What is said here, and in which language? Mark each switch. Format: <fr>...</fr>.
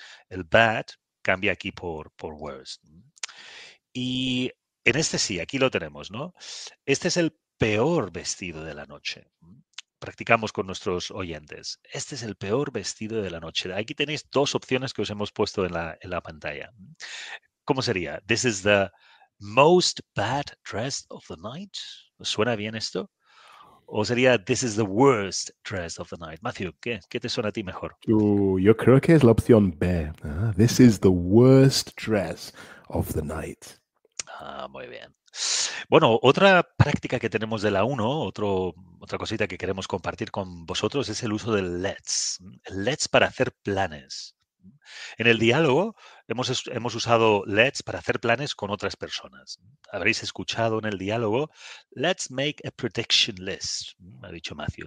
<es>El bad cambia aquí por worst. Y en este sí, aquí lo tenemos, ¿no? Este es el peor vestido de la noche. Practicamos con nuestros oyentes. Este es el peor vestido de la noche. Aquí tenéis dos opciones que os hemos puesto en la pantalla. ¿Cómo sería?</es> <en>This is the most bad dressed of the night.</en> <es>¿Suena bien esto? ¿O sería</es> <en>this is the worst dressed of the night?</en> <es>Matthew, ¿qué te suena a ti mejor? Yo creo que es la opción B.</es> <en>This is the worst dress of the night.</en> <es>Muy bien. Bueno, otra práctica que tenemos de la 1, otra cosita que queremos compartir con vosotros es el uso del let's. Let's para hacer planes. En el diálogo hemos usado let's para hacer planes con otras personas. Habréis escuchado en el diálogo,</es> <en>let's make a prediction list,</en> <es>ha dicho Matthew.</es>